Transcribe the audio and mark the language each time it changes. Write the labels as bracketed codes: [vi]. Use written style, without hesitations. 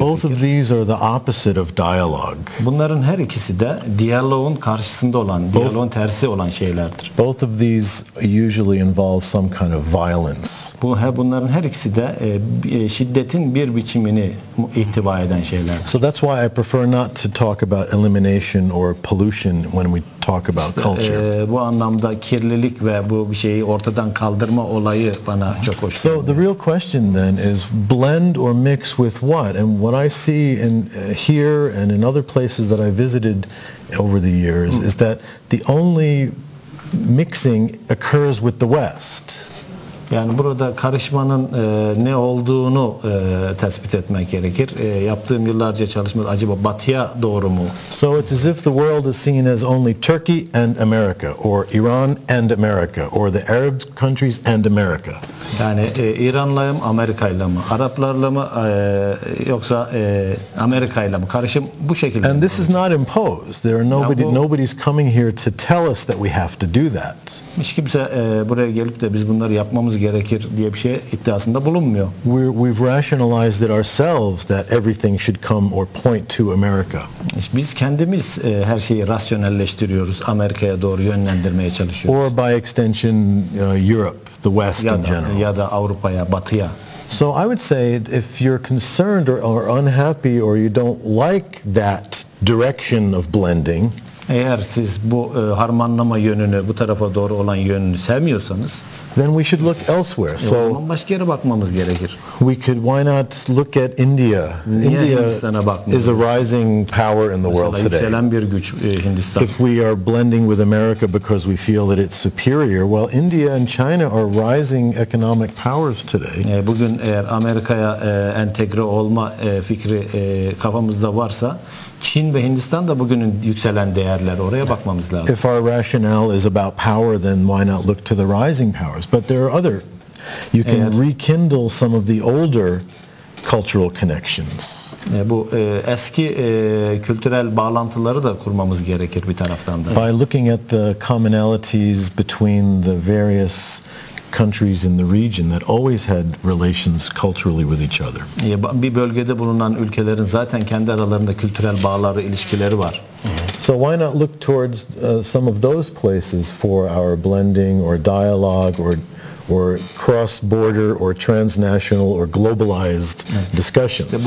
[en] Both [tr] fikir. [en] Both of these are the opposite of dialogue. [tr] Bunların her ikisi de diyaloğun karşısında olan, diyaloğun tersi olan şeylerdir. [en] Both of these usually involve some kind of violence. [tr] Bunların her ikisi de şiddetin bir biçimini ihtiva eden şeyler. [en] So that's why I prefer not to talk about elimination or pollution when we talk about culture. [tr] Bu anlamda kirlilik ve bu şeyi ortadan kaldırma olayı bana çok hoş. [en] So the real question then is blend or mix with what? And what I see in here and in other places that I visited over the years is that the only mixing occurs with the West. [tr] Yani burada karışmanın ne olduğunu tespit etmek gerekir. Yaptığım yıllarca çalışma acaba batıya doğru mu? [en] So it's as if the world is seen as only Turkey and America or Iran and America or the Arab countries and America. [tr] Yani İran'la mı, Amerika'yla mı, Araplarla mı yoksa Amerika'yla mı? Karışım bu şekilde. [en] And this is not imposed. There are nobody's coming here to tell us that we have to do that. [tr] Hiç kimse buraya gelip de biz bunları yapmamız gerekir diye bir şey iddiasında bulunmuyor. [en] We've rationalized it ourselves that everything should come or point to America. [tr] Biz kendimiz her şeyi rasyonelleştiriyoruz, Amerika'ya doğru yönlendirmeye çalışıyoruz. [en] Or by extension Europe, the West [tr] ya da, [en] in general. [tr] Ya da Avrupa'ya, Batı'ya. [en] So I would say if you're concerned or unhappy or you don't like that direction of blending, [tr] eğer siz bu harmanlama yönünü, bu tarafa doğru olan yönünü sevmiyorsanız, [en] then we should look elsewhere. So, [tr] o zaman başka yere bakmamız gerekir. [en] We could, why not look at India? India is a rising power in the world today. [tr] Mesela yükselen bir güç Hindistan. [en] If we are blending with America because we feel that it's superior, well, India and China are rising economic powers today. [tr] Bugün eğer Amerika'ya entegre olma fikri kafamızda varsa, Çin ve Hindistan da bugünün yükselen değerler. Oraya bakmamız lazım. [en] If our rationale is about power, then why not look to the rising powers? But there are other. You can rekindle some of the older cultural connections. [tr] Bu eski kültürel bağlantıları da kurmamız gerekir bir taraftan da. [en] By looking at the commonalities between the various countries in the region that always had relations culturally with each other. [tr] Bir bölgede bulunan ülkelerin zaten kendi aralarında kültürel bağları, ilişkileri var. [en] So why not look towards some of those places for our blending or dialogue or cross-border or transnational or globalized discussions.